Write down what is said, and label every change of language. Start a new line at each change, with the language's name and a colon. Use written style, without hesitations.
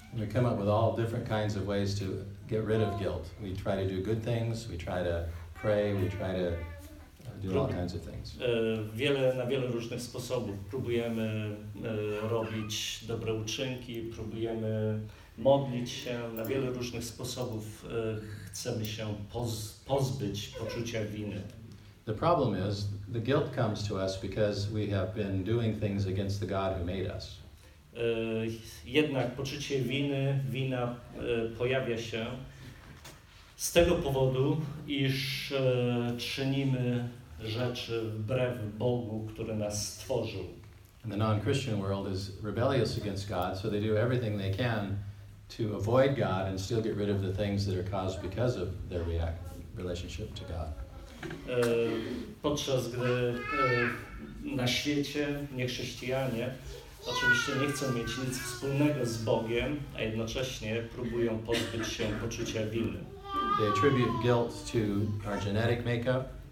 English: We come up with all different kinds of ways to get rid of guilt. We try to do good things, we try to pray, we try to do all kinds of things.
Polish: Na wiele różnych sposobów próbujemy robić dobre uczynki, próbujemy modlić się, na wiele różnych sposobów chcemy się pozbyć poczucia winy.
English: The problem is, the guilt comes to us because we have been doing things against the God who made us.
Polish: Jednak poczucie wina pojawia się z tego powodu, iż czynimy rzeczy wbrew Bogu, który nas stworzył.
English: And the non-Christian world is rebellious against God, so they do everything they can to avoid God and still get rid of the things that are caused because of their relationship to God.
Polish: Podczas gdy na świecie niechrześcijanie oczywiście nie chcą mieć nic wspólnego z Bogiem, a jednocześnie próbują pozbyć się poczucia winy.
English: They attribute guilt to our genetic makeup.